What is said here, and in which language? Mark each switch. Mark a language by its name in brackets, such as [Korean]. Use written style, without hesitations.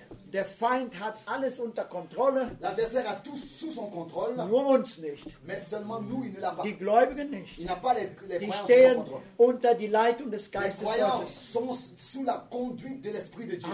[German] Der Feind hat alles unter Kontrolle. [French] L'adversaire a tout sous son contrôle. [German] Nur uns nicht. [French] Mais seulement nous, il ne l'a pas. [German] Die Gläubigen nicht. [French] Il n'a pas les [German] die stehen unter die Leitung des Geistes Gottes. [French] Sont sous la conduite de l'Esprit de Dieu.